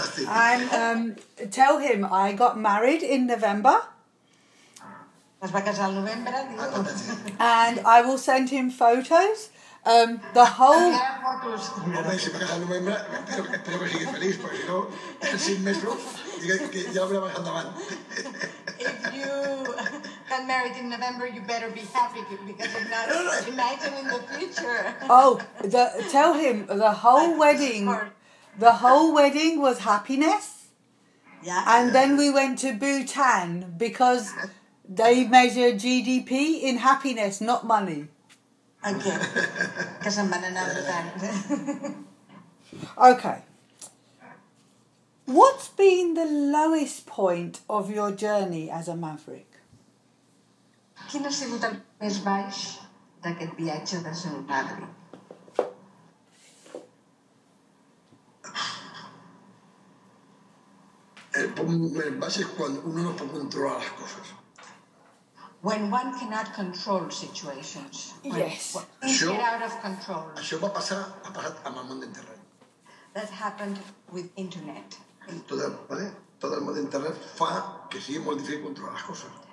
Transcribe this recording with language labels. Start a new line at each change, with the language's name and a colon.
English: I'm, tell him I got married in November.
Catalan: Es va casar al novembre, diu.
English: And I will send him photos. The whole...
Catalan: Si va casar al novembre, espero que sigui feliç, perquè no, en 5 mesos...
English: If you got married in November, you better be happy because I'm not imagining the future. Oh, tell him the whole wedding. The whole wedding was happiness. Yeah. And then we went to Bhutan because they measure GDP in happiness, not money. Okay. Because I'm gonna understand. Okay. What's been the lowest point of your journey as a maverick?
Catalan: Quin ha sigut el més baix d'aquest viatge de ser un maverick? El punt més baix és quan uno no pot controlar les coses.
English: When one cannot control situations. Yes. Things get out of control.
Catalan: Això va passar, ha passat amb el món d'internet.
English: That happened with internet.
Spanish: Todo el mundo de internet fa que sigue muy difícil controlar las cosas.